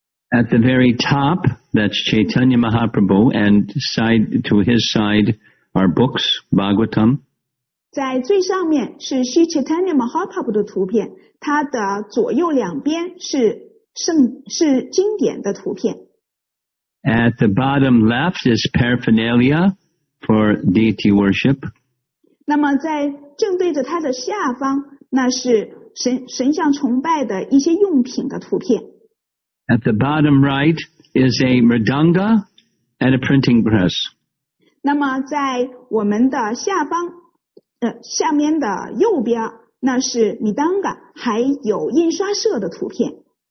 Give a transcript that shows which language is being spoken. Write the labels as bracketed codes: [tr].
[en] At the very top, that's Chaitanya Mahaprabhu, and side to his side are books, Bhagavatam. [zh] 在最上面是 Sri Chaitanya Mahaprabhu 的图片，它的左右两边是经典的图片。 [en] At the bottom left is paraphernalia for deity worship. [zh] 那么在正对着它的下方，那是神像崇拜的一些用品的图片。 [en] At the bottom right is a mridanga and a printing press. [zh] 那么在我们的下方下面的右边，那是米当嘎，还有印刷社的图片。